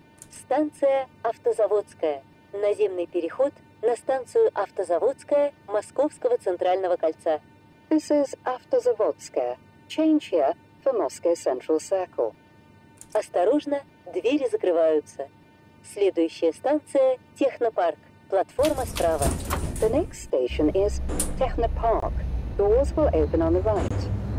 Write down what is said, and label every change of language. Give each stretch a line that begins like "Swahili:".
Russian: Станция Автозаводская. Наземный переход на станцию Автозаводская Московского центрального кольца.
English: This is Автозаводская. Change here for Moscow Central Circle.
Russian: Осторожно, двери закрываются. Следующая станция – Технопарк. Платформа справа.
English: The next station is Technopark. Doors will open on the right.